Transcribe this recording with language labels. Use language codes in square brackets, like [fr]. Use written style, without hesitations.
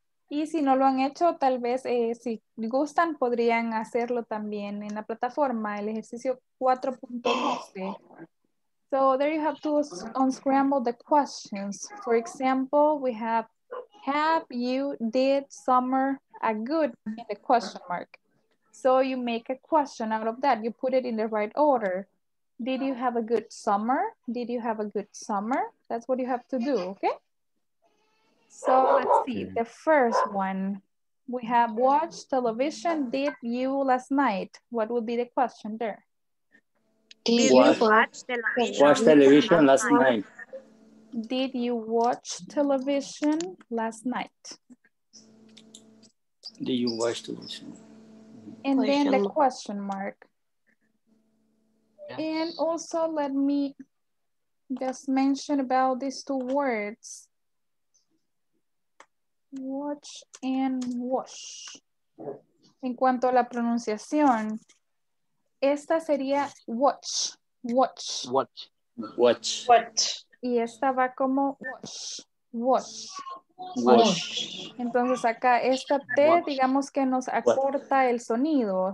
[es] Y si no lo han hecho, tal vez si gustan, podrían hacerlo también en la plataforma, el ejercicio 4.12. [en] So there you have to unscramble the questions. For example, we have you did summer a good in the question mark. So you make a question out of that. You put it in the right order. Did you have a good summer? Did you have a good summer? That's what you have to do, okay? So let's see, the first one. We have watched television, did you last night? What would be the question there? Did you watch television? Watch television last night. Did you watch television last night? Did you watch television? And then the question mark. And also, let me just mention about these two words. Watch and wash. [es] En cuanto a la pronunciación, esta sería watch, watch. [en] Watch, watch. Watch. [es] Y esta va como wash, wash. [en] Wash. [es] Entonces acá esta T, digamos que nos acorta el sonido.